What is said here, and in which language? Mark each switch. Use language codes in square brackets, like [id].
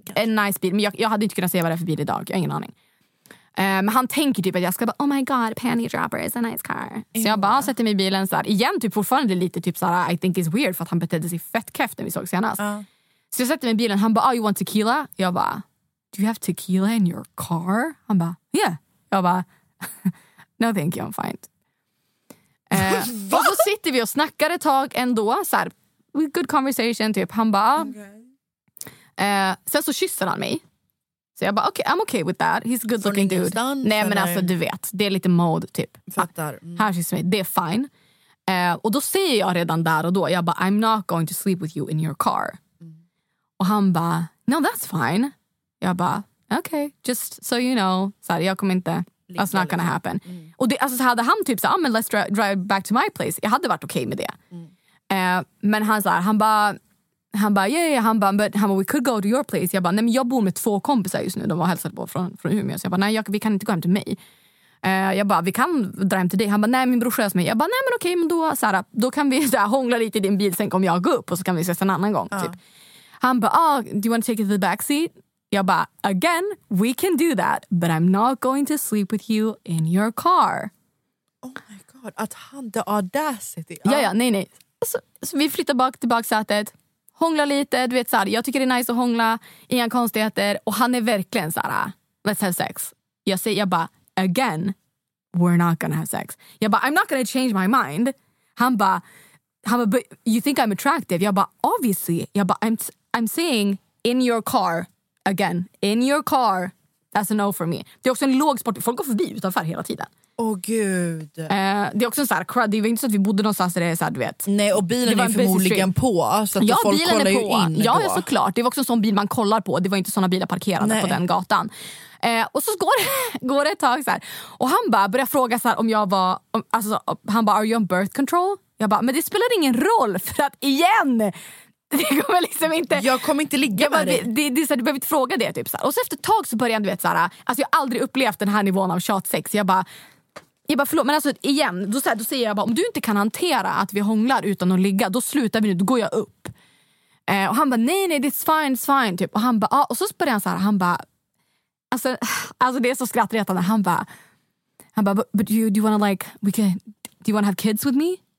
[sv] Kanske. En nice bil. Men jag hade inte kunnat säga vad det är för bil idag. Jag har ingen aning. Men han tänker typ att jag ska bara, [en] oh my god, panty dropper is a nice car. [sv] Så jag bara sätter mig i bilen så här. Igen typ fortfarande lite typ så här, [en] I think it's weird [sv] för att han betedde sig fett käft när vi såg senast. Så jag sätter mig i bilen, han bara, [en] oh, you want tequila? [sv] Jag bara, [en] do you have tequila in your car? [sv] Han bara, [en] yeah. [sv] Jag bara, [en] no thank you, I'm fine. [sv] Och så sitter vi och snackar ett tag ändå, så här, [en] good conversation [sv] typ. Han bara, okay. Sen så kysser han mig. Så jag bara, [en] okay, I'm okay with that. He's a good looking dude. [sv] Nej, men alltså du vet, det är lite mode typ. Fattar. Här kysser mig, det är fine. Och då säger jag redan där och då, jag bara, [en] I'm not going to sleep with you in your car. [sv] Och han bara, [en] no that's fine. [sv] Jag bara, [en] okay, just so you know. [sv] Så här, jag kommer inte, [en] that's not gonna happen. [sv] Mm. Och det, alltså, så hade han typ så här, ah, men [en] let's drive back to my place. [sv] Jag hade varit okej med det. Mm. Men han så här, han bara, yeah, yeah. Han bara, [en] we could go to your place. [sv] Jag bara, nej men jag bor med två kompisar just nu. De var hälsade på från Umeå. Så jag bara, nej vi kan inte gå hem till mig. Jag bara, vi kan dra hem till dig. Han bara, nej min bror sköts mig. Jag bara, nej men okej, men då, så här, då kan vi så här, hångla lite i din bil. Sen kommer jag gå upp och så kan vi ses en annan gång. Typ. Han bara, [en] oh, do you want to take it to the backseat? [sv] Jag bara, [en] again, we can do that. But I'm not going to sleep with you in your car. Oh my god, [sv] att han, [en] the audacity. [sv] Ja, ja, nej, nej. Så vi flyttar bak till baksätet. Hångla lite, du vet så här, jag tycker det är nice att hångla. Inga konstigheter. Och han är verkligen så här, [en] let's have sex. [sv] Jag bara, [en] again, we're not gonna have sex. Jag bara, I'm not gonna change my mind. [sv] Han bara, [en] but you think I'm attractive? [sv] Jag bara, [en] obviously. [sv] Jag bara, [en] I'm saying in your car, again, in your car, that's a no for me. [sv] Det är också en låg sport, folk går förbi utanför hela tiden. Åh gud. Det är också en sån här crud, det var inte så att vi bodde någonstans där det är så här, du vet. Nej, och bilen är förmodligen på, så att ja, folk bilen kollar är på. Ju in. Ja, då. Såklart. Det var också en sån bil man kollar på, det var inte såna bilar parkerade. Nej. På den gatan. Och så går det ett tag så här. Och han bara börjar fråga så här om jag var, alltså han bara, [en] are you on birth control? [sv] Jag bara, men det spelar ingen roll för att igen, det kommer liksom inte. Jag kommer inte ligga med dig. Det är så här, du behöver inte fråga det typ så här. Och så efter ett tag så börjar han, du vet så här, alltså jag har aldrig upplevt den här nivån av tjatsex. Jag bara förlåt, men alltså igen, då säger jag bara, om du inte kan hantera att vi hånglar utan att ligga, då slutar vi nu, då går jag upp. Och han bara, nej, [en] it's fine [sv] typ. Och han bara, ah. Och så börjar han så här, han bara, alltså det är så skrattretande. Han bara, [en] but do you want to like, we can, do you want to have kids with me?